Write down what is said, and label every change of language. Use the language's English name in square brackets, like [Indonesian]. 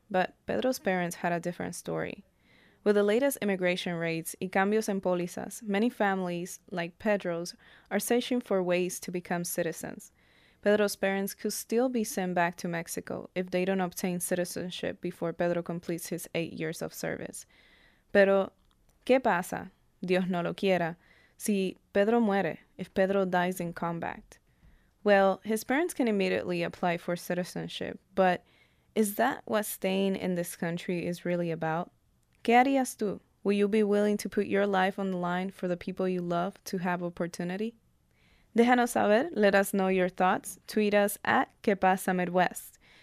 [English] But Pedro's parents had a different story. With the latest immigration raids [Spanish] y cambios en pólizas, [English] many families, like Pedro's, are searching for ways to become citizens. Pedro's parents could still be sent back to Mexico if they don't obtain citizenship before Pedro completes his 8 years of service. [Spanish] Pero, ¿qué pasa, Dios no lo quiera, si Pedro muere, [English] if Pedro dies in combat? Well, his parents can immediately apply for citizenship, but is that what staying in this country is really about? [Spanish] ¿Qué harías tú? [English] Will you be willing to put your life on the line for the people you love to have opportunity? [Spanish] Déjanos saber, [English] let us know your thoughts. Tweet us at ¿Qué pasa Midwest?